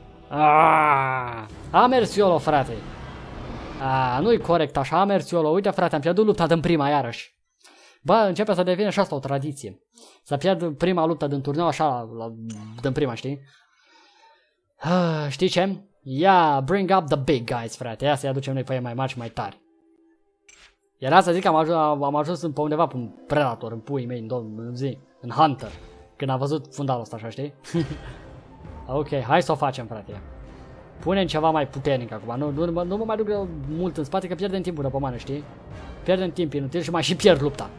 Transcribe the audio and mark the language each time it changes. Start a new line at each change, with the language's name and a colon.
Romanian: A mers YOLO, frate. Nu-i corect așa, a mers YOLO. Uite, frate, am pierdut lupta din prima iarăși. Ba, începe să devine și asta o tradiție. Să pierd prima luptă din turneu așa la din prima, știi? Știi ce?
English: Ia, bring up the big guys, frate.
Romanian: Ia să-i aducem noi pe ei mai mari și mai tari. Iar asta zic că am ajuns pe undeva pe un predator, în puii mei, în două zi, în hunter, când am văzut fundalul ăsta, așa, știi? Ok, hai să o facem, frate. Punem ceva mai puternic acum. Nu mă mai duc mult în spate că pierdem timpul după mână, știi? Pierdem timp inutil și mai și pierd lupta.